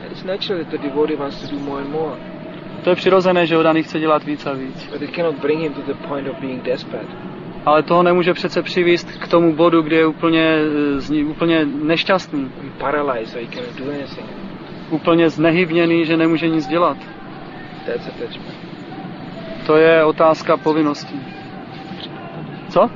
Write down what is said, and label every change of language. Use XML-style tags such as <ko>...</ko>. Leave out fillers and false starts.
<en>It's natural that the devotee wants to do more and more.</en> <cs>To je přirozené, že oddaný chce dělat víc a víc.</cs> <en>But it cannot bring him to the point of being desperate.</en> <cs>Ale toho nemůže přece přivést k tomu bodu, kde je úplně nešťastný.</cs> <en>Paralyzed, so he cannot do anything.</en> <cs>Úplně znehybněný, že nemůže nic dělat.</cs> <en>That's attachment.</en> <cs>To je otázka povinnosti. Co?</cs>